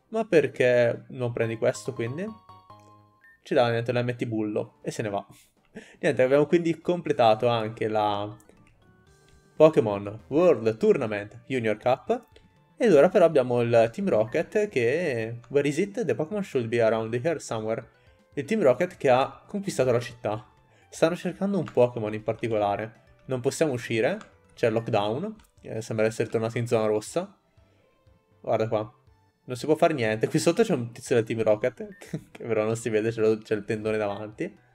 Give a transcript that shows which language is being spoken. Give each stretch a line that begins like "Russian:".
Italian: Ma perché non prendi questo quindi? Ci dà niente, la metti bullo e se ne va. Niente, abbiamo quindi completato anche la Pokémon World Tournament Junior Cup. Ed ora però abbiamo il Team Rocket che...
English: Where is it? The Pokémon should be around here somewhere.
Italian: Il Team Rocket che ha conquistato la città. Stanno cercando un Pokémon in particolare. Non possiamo uscire, c'è il lockdown. Sembra essere tornato in zona rossa. Guarda qua. Non si può fare niente. Qui sotto c'è un tizio del Team Rocket. Che però non si vede, c'è il tendone davanti.